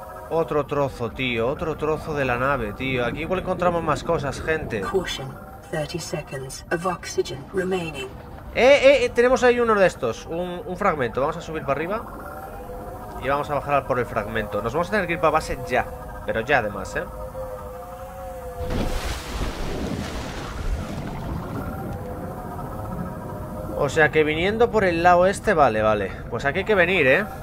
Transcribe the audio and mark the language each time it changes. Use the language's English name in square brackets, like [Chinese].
[Spanish] Otro trozo, tío. Otro trozo de la nave, tío. Aquí igual encontramos más cosas, gente. [English] 30 seconds of oxygen remaining. [Spanish] Tenemos ahí uno de estos, un fragmento. Vamos a subir para arriba y vamos a bajar por el fragmento. Nos vamos a tener que ir para base ya, pero ya además, ¿eh? O sea que viniendo por el lado este, vale, vale. Pues aquí hay que venir, ¿eh?